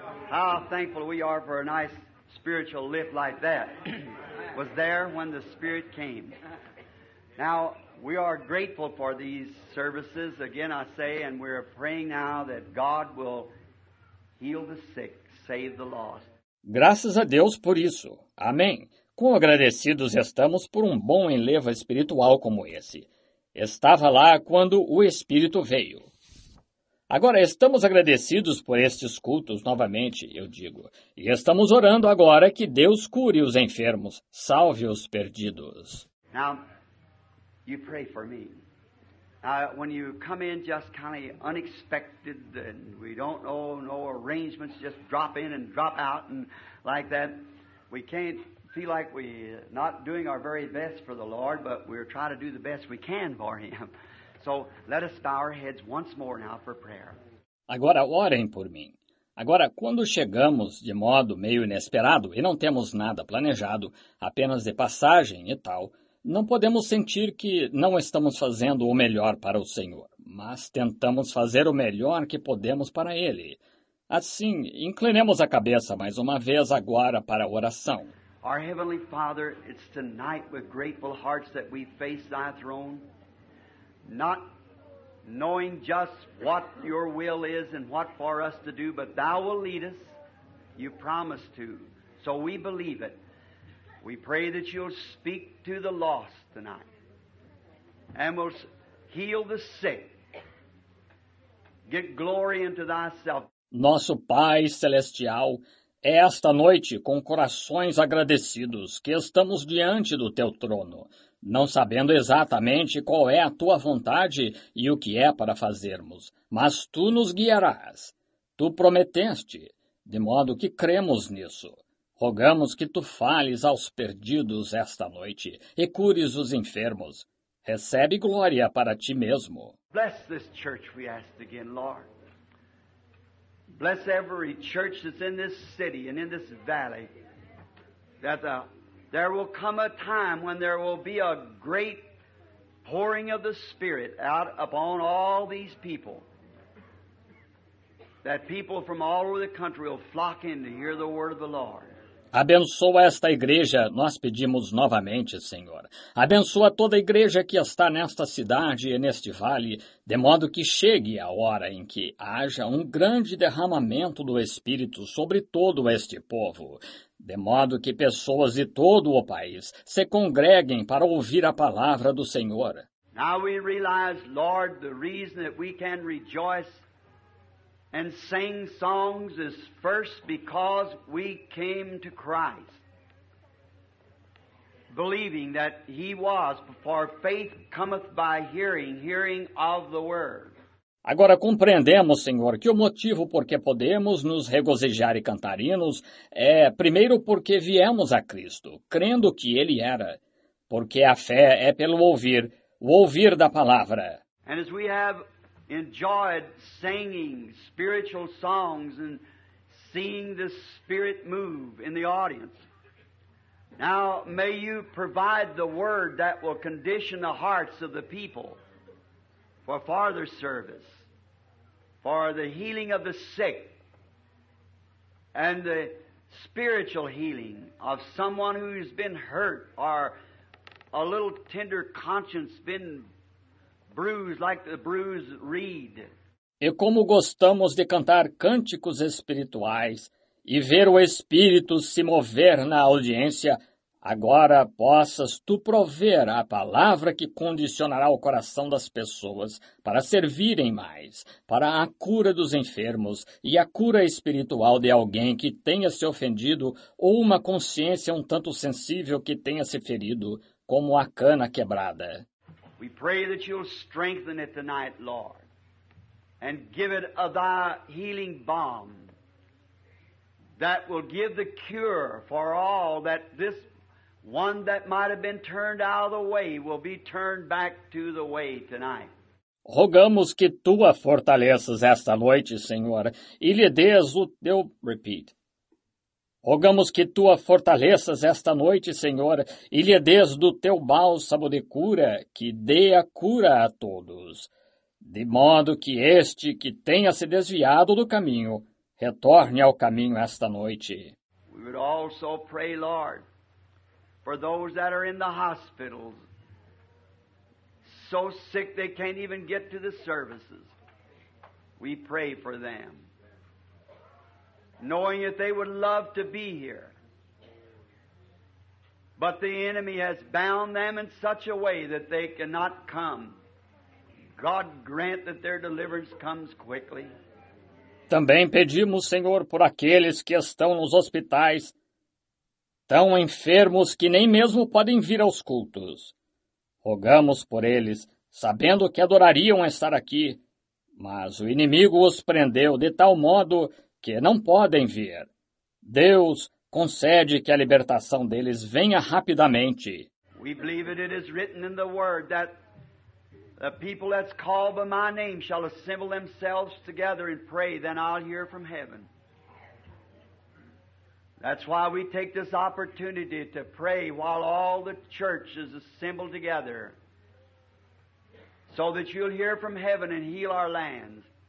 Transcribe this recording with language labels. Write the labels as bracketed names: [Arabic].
[English] How thankful we are for a nice spiritual lift like that. Was there when the Spirit came. Now, we are grateful for these services, again I say, and we're praying now that God will heal the sick, save the lost. [Portuguese] Graças a Deus por isso. Amém. Quão agradecidos estamos por um bom enlevo espiritual como esse. Estava lá quando o Espírito veio. Agora, estamos agradecidos por estes cultos novamente, eu digo, e estamos orando agora que Deus cure os enfermos, salve os perdidos. [English] Now, you pray for me. When you come in just kind of unexpected, and we don't know, no arrangements, just drop in and drop out, and like that, we can't feel like we're not doing our very best for the Lord, but we're trying to do the best we can for Him. So, let us bow our heads once more now for prayer. [Portuguese] Agora, orem por mim. Agora, quando chegamos de modo meio inesperado e não temos nada planejado, apenas de passagem e tal, não podemos sentir que não estamos fazendo o melhor para o Senhor, mas tentamos fazer o melhor que podemos para Ele. Assim, inclinemos a cabeça mais uma vez agora para a oração. [English] Our Heavenly Father, it's tonight with grateful hearts that we face Thy throne, not knowing just what Your will is and what for us to do, but Thou will lead us. You promised to, so we believe it. We pray that You'll speak to the lost tonight and will heal the sick. Get glory into Thyself. [Portuguese] Nosso Pai Celestial, é esta noite com corações agradecidos que estamos diante do Teu trono, não sabendo exatamente qual é a Tua vontade e o que é para fazermos, mas Tu nos guiarás. Tu prometeste, de modo que cremos nisso. Rogamos que Tu fales aos perdidos esta noite e cures os enfermos. Recebe glória para Ti mesmo. [English] Bless this church, we ask again, Lord. Bless every church that's in this city and in this valley, that there will come a time when there will be a great pouring of the Spirit out upon all these people, that people from all over the country will flock in to hear the word of the Lord. [Portuguese] Abençoa esta igreja, nós pedimos novamente, Senhor. Abençoa toda a igreja que está nesta cidade e neste vale, de modo que chegue a hora em que haja um grande derramamento do Espírito sobre todo este povo, de modo que pessoas de todo o país se congreguem para ouvir a palavra do Senhor. [English] Now we realize, Lord, the reason that we can rejoice and sing songs is first because we came to Christ, believing that He was, for faith cometh by hearing, hearing of the Word. [Portuguese] Agora compreendemos, Senhor, que o motivo por que podemos nos regozijar e cantar hinos é, primeiro, porque viemos a Cristo, crendo que Ele era, porque a fé é pelo ouvir, o ouvir da palavra. [English] And as we have enjoyed singing spiritual songs and seeing the Spirit move in the audience. Now, may You provide the Word that will condition the hearts of the people for farther service, for the healing of the sick, and the spiritual healing of someone who's been hurt or a little tender conscience been bruised like the bruised reed. [Portuguese] E como gostamos de cantar cânticos espirituais e ver o Espírito se mover na audiência, agora possas Tu prover a palavra que condicionará o coração das pessoas para servirem mais, para a cura dos enfermos e a cura espiritual de alguém que tenha se ofendido ou uma consciência um tanto sensível que tenha se ferido, como a cana quebrada. [English] We pray that You'll strengthen it tonight, Lord, and give it of Thy healing balm that will give the cure for all, that this one that might have been turned out of the way will be turned back to the way tonight. [Portuguese] Rogamos que Tu a fortaleças esta noite, Senhor, e lhe dês o Teu... [English] Repeat. [Portuguese] Rogamos que Tu a fortaleças esta noite, Senhor, e lhe dês do Teu bálsamo de cura, que dê a cura a todos, de modo que este que tenha se desviado do caminho, retorne ao caminho esta noite. [English] We would also pray, Lord, for those that are in the hospitals, so sick they can't even get to the services. We pray for them, knowing that they would love to be here, but the enemy has bound them in such a way that they cannot come. God grant that their deliverance comes quickly. [Portuguese] Também pedimos, Senhor, por aqueles que estão nos hospitais, tão enfermos que nem mesmo podem vir aos cultos. Rogamos por eles, sabendo que adorariam estar aqui, mas o inimigo os prendeu de tal modo que não podem vir. Deus, concede que a libertação deles venha rapidamente. [English] We believe that it is written in the Word that the people that's called by my name shall assemble themselves together and pray, then I'll hear from heaven. That's why we take this opportunity to pray while all the church is assembled together, so that you'll hear from heaven and heal our lands.